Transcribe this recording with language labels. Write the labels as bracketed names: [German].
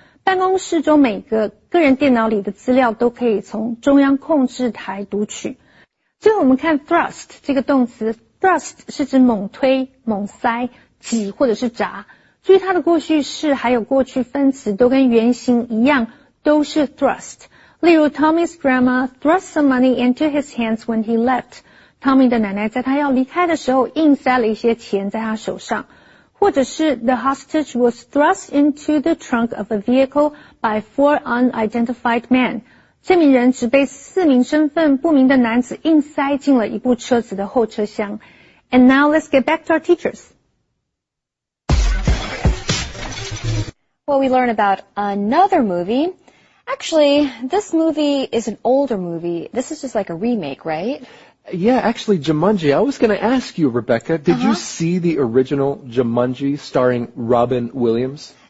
[Chinese] 办公室中每个个人电脑里的资料都可以从中央控制台读取。最后我们看thrust 这个动词 thrust 是指猛推、猛塞、挤或者是砸。注意它的过去式还有过去分词都跟原型一样，都是thrust。 [English] 例如 Tommy's grandma thrust some money into his hands when he left. [Chinese] Tommy 的奶奶在他要离开的时候硬塞了一些钱在他手上。 [English] 或者是 the hostage was thrust into the trunk of a vehicle by four unidentified men. [Chinese] 这名人只被四名身份不明的男子硬塞进了一部车子的后车厢。 [English] And now let's get back to our teachers. Well, we learn about another movie. Actually, this movie is an older movie. This is just like a remake, right? Yeah, actually, Jumanji, I was going to ask you, Rebecca, did you see the original Jumanji starring Robin Williams?